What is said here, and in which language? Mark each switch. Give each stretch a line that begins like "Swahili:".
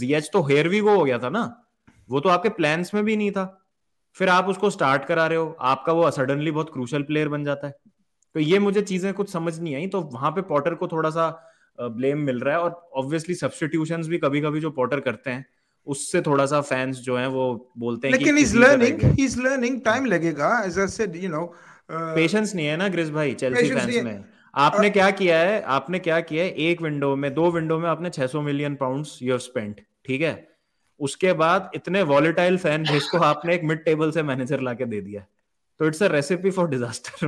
Hindi: ZH तो hair भी वो हो गया था ना, वो तो आपके प्लान्स में भी नहीं था, फिर आप उसको स्टार्ट करा रहे हो, आपका वो सडनली बहुत क्रूशल प्लेयर बन जाता है. तो ये मुझे चीजें कुछ समझ नहीं आई. तो वहां पे पॉटर को थोड़ा सा ब्लेम मिल रहा है, और ऑब्वियसली सब्स्टिट्यूशंस भी कभी कभी जो पॉटर करते हैं उससे थोड़ा सा फैंस जो हैं वो बोलते हैं, लेकिन he's learning, टाइम लगेगा,
English: as I said, you know,
Hindi: patience नहीं है ना ग्रिस भाई चेल्सी फैंस में. आपने क्या किया है, आपने क्या किया है, एक विंडो में, दो विंडो में आपने 600 million pounds
English: you have spent,
Hindi: ठीक है. उसके बाद इतने वॉलेटाइल फैन बेस को आपने एक मिड टेबल से मैनेजर लाके दे दिया, तो
English: It's a recipe for disaster.